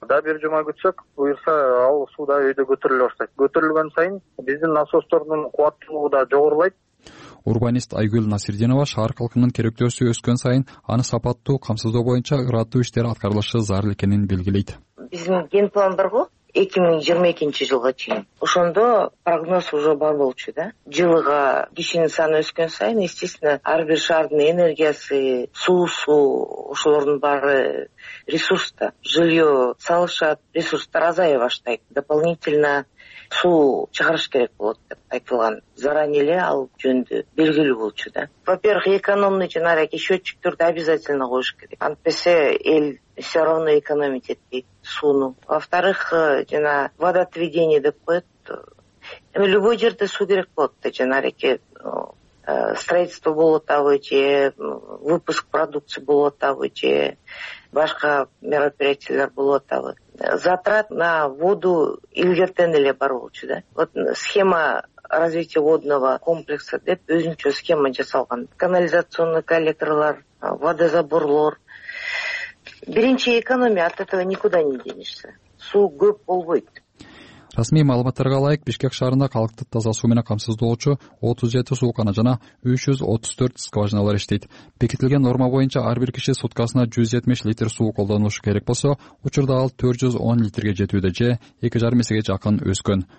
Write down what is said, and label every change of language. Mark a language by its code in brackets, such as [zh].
[ky] Да бир жума күтсөк, буюрса ал суу да өйдө көтөрүлө баштайт. Көтөрүлгөн сайын биздин насостордун кубаттуулугу да жогорулайт. Урбанист Айгүл Насирденова шаар калкынын керектөөсү өскөн сайын аны сапаттуу камсыздоо боюнча ырааттуу иштер аткарылышы зарыл экенин белгилейт. Биздин ген план бар го 2022 жылга чейин. Ошондо прогноз уже бар болчу да. Жылыга кишинин саны өскөн сайын, естественно, ар бир шаардын энергиясы, суусу, ошолордун баары ресурста. Жылье салышат, ресурстар азая баштайт. Дополнительно суу чыгарыш керек болот деп айтылган. Заранее эле ал жөнүндө белгилүү болчу да. [ru] Во-первых, экономный [ky] жана аракет счетчиктерди обязательно коюш керек. Антпесе эл [ru] все равно экономить [ky] этпейт сууну. Во-вторых, жана водоотведение деп коет. Эми любой жерде суу керек болот да, жана аракет строительство болуп атабы, же [ru] выпуск продукции [ky] болуп атабы, же башка мероприятиялар болуп атабы. [ru] Затрат на воду [ky] илгертен эле бар болчу да. [ru] Вот схема развития водного комплекса [ky] деп өзүнчө схема жасалган. Канализационный коллекторлор, водозаборлор. Биринчи экономия, [ru] от этого никуда не денешься. [ky] Суу көп болбойт. Расмий маалыматтарга ылайык, Бишкек шаарында калкты таза суу менен камсыздоочу 37 суу кана жана 334 скважиналар иштейт. Бекитилген норма боюнча ар бир киши суткасына 170 литр суу колдонушу керек болсо, учурда ал 410 литрге жетүүдө же 2,5 эсеге жакын өскөн.